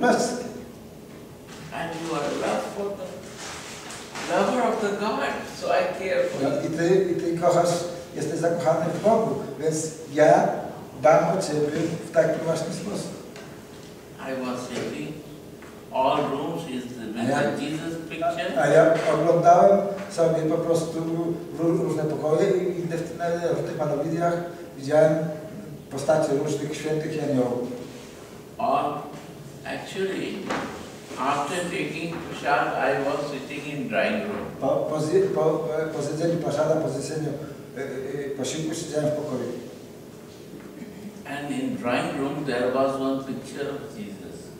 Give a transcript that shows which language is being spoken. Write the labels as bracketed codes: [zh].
[en] Lover of the God, so I care for you. [pl] I ty kochasz jesteś zakochany w Bogu, więc ja dam o ciebie w taki właśnie sposób. [en] I was thinking, all rooms is the Jesus picture. [pl] A ja oglądałem sobie po prostu różne pokoje i gdy w tych malowidziach widziałem postacie różnych świętych aniołów. [en] Or actually, after taking prasad, I was sitting in drawing room. [pl] Po zjedzeniu prasada, po zjedzeniu posiłku siedziałem w pokoju. [en] And in drawing room there was one picture of Jesus.